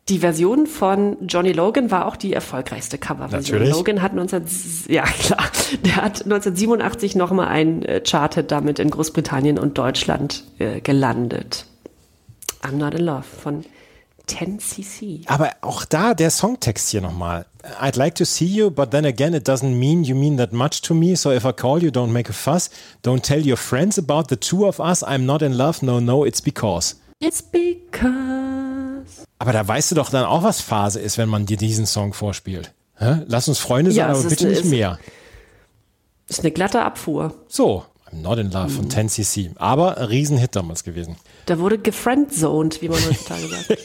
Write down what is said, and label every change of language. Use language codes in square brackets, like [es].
[de] Die Version von Johnny Logan war auch die erfolgreichste Coverversion. Natürlich. Logan hat 1987 nochmal ein Chart-Hit damit in Großbritannien und Deutschland gelandet. I'm Not in Love von 10cc. Aber auch da der Songtext hier nochmal. [en] I'd like to see you, but then again it doesn't mean you mean that much to me. So if I call you, don't make a fuss. Don't tell your friends about the two of us. I'm not in love. No, no, it's because. It's because. [de] Aber da weißt du doch dann auch, was Phase ist, wenn man dir diesen Song vorspielt. Hä? Lass uns Freunde sein, ja, aber bitte nicht mehr. Ist eine glatte Abfuhr. So, I'm not in love von 10cc. Aber ein Riesenhit damals gewesen. Da wurde gefriendzoned, wie man heutzutage sagt.